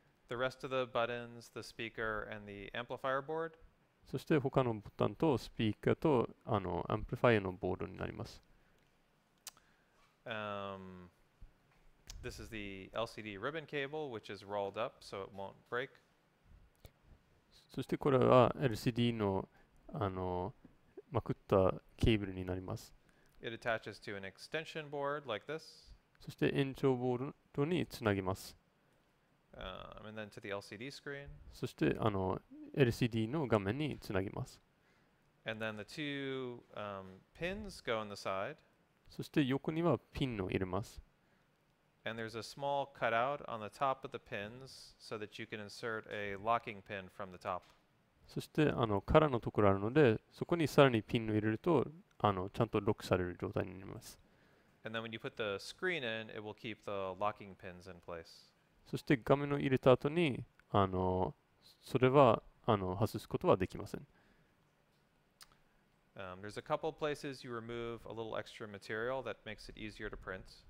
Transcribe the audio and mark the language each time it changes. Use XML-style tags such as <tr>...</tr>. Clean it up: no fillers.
<en>The rest of the buttons, the speaker, and the amplifier board.</en> <ja>そして他のボタンとスピーカーとあのアンプリファイアのボードになります。</ja> <en>This is the LCD ribbon cable, which is rolled up so it won't break.</en> <ja>そしてこれは LCD のあのまくったケーブルになります。</ja> <en>It attaches to an extension board like this.</en> <ja>そして延長ボードにつなぎます。</ja> <en>And then to the LCD screen.</en> <ja>そしてあの LCD の画面につなぎます。</ja> <en>And then the two pins go on the side.</en> <ja>そして横にはピンを入れます。</ja> <en>And there's a small cutout on the top of the pins so that you can insert a locking pin from the top.</en> <ja>そしてあの空のところあるので、そこにさらにピンを入れるとあのちゃんとロックされる状態になります。</ja> <en>And then when you put the screen in, it will keep the locking pins in place.</en> <ja>そして画面を入れた後にあのそれはあの外すことはできません。</ja> <en>There's a couple places you remove a little extra material that makes it easier to print.</en>